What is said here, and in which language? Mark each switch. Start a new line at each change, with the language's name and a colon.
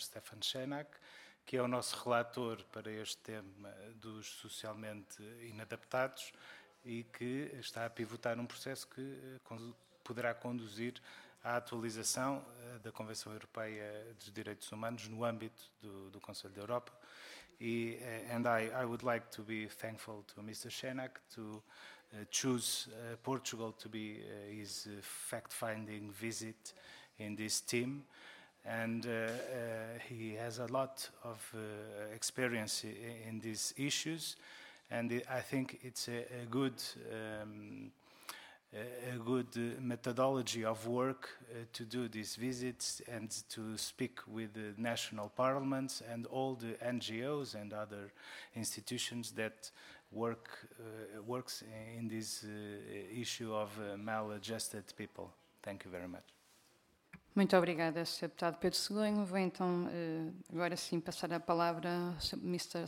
Portuguese: Stefan Shenak, que é o nosso relator para este tema dos socialmente inadaptados e que está a pivotar um processo que poderá conduzir à atualização da Convenção Europeia dos Direitos Humanos no âmbito do Conselho da Europa.
English: And I would like to be thankful to Mr. Shenak to choose Portugal to be his fact-finding visit in this team. And he has a lot of experience in these issues. And I think it's a good methodology of work to do these visits and to speak with the national parliaments and all the NGOs and other institutions that works in this issue of maladjusted people. Thank you very much.
Portuguese: Muito obrigada, Sr. Deputado Pedro Segonho. Vou então agora sim passar a palavra ao Mr.